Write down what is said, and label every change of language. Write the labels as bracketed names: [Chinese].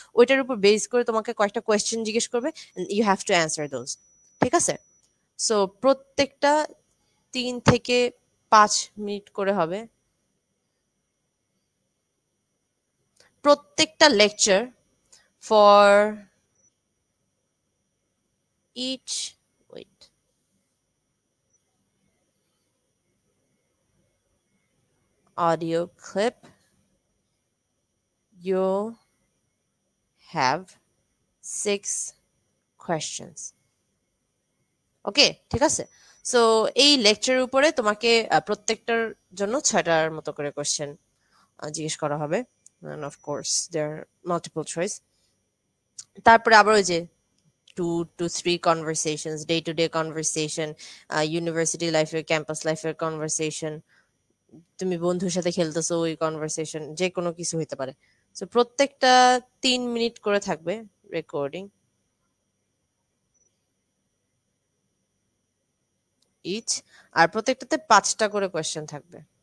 [Bangla] ওইটার উপর বেস করে তোমাকে কয়েকটা কোয়েশ্চেন জিজ্ঞেস করবে, [English] You have to answer those. [Bangla] ঠিক আছে? সো প্রত্যেকটা 3-5 মিনিট করে হবে, প্রত্যেকটা lecture. [English] For each, wait, audio clip, you have 6 questions. [Bangla] Okay, ঠিক আছে? So এই লেকচারের উপরে তোমাকে প্রত্যেকটার জন্য 6টার মতো করে কোশ্চেন জিজ্ঞেস করা হবে. [English] And of course there are multiple choice. [Bangla] তারপরে আবার ওই যে 2-3 conversations, day-to-day conversation, university life, campus life conversation, তুমি বন্ধুর সাথে খেলতেছো ওই conversation, যে কোনো কিছু হইতে পারে. সো প্রত্যেকটা 3 মিনিট করে থাকবে রেকর্ডিং ইচ, আর প্রত্যেকটাতে 5টা করে question থাকবে.